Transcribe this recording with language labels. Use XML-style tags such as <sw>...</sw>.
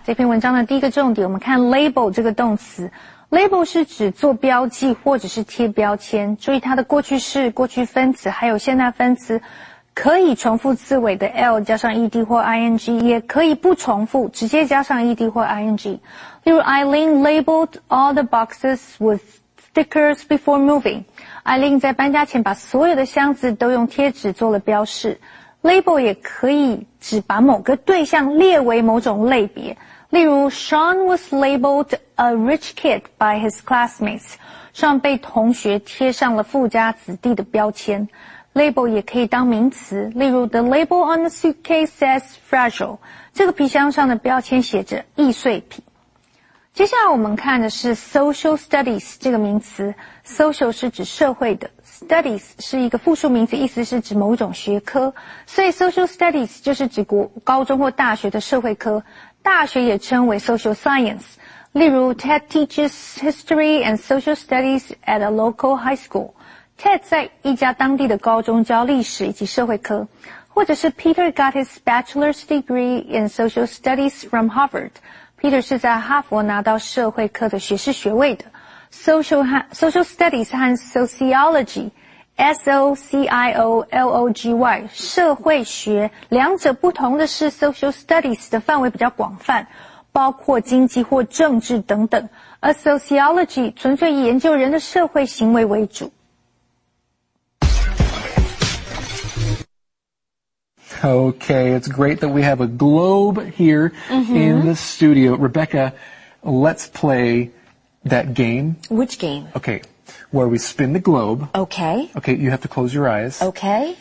<zh>这篇文章的第一个重点，我们看 label 这个动词。Label 是指做标记或者是贴标签，注意它的过去式、过去分词还有现在分词，可以重复字尾的 L 加上 ED 或 ING， 也可以不重复，直接加上 ED 或 ING。例如</zh> <en>Eileen labeled all the boxes with stickers before moving。</en> <zh>Eileen 在搬家前把所有的箱子都用贴纸做了标示。 Label 也可以指把某个对象列为某种类别，例如</zh> <en>Sean was labeled a rich kid by his classmates。</en> <zh>Sean 被同学贴上了富家子弟的标签。 Label 也可以当名词，例如</zh> <en>The label on the suitcase says fragile，</en> <zh>这个皮箱上的标签写着易碎品。接下来我们看的是 social studies 这个名词。 social 是指社会的， studies 是一个复数名词，意思是指某种学科，所以 social studies 就是指高中或大学的社会科，大学也称为 social science。例如</zh> <en>Ted teaches history and social studies at a local high schoolTed</en> <zh>在一家当地的高中教历史以及社会科，或者是</zh> <en>Peter got his bachelor's degree in social studies from Harvard。</en> <zh>Peter 是在哈佛拿到社会科的学士学位的。 Social studies 和 sociology S-O-C-I-O-L-O-G-Y 社会学，两者不同的是 social studies 的范围比较广泛，包括经济或政治等等，而 sociology 纯粹以研究人的社会行为为主。</zh> <en>Okay, it's great that we have a globe here in the studio. Rebecca, let's play that game. Which game? Okay, where we spin the globe. Okay. Okay, you have to close your eyes. Okay.</en>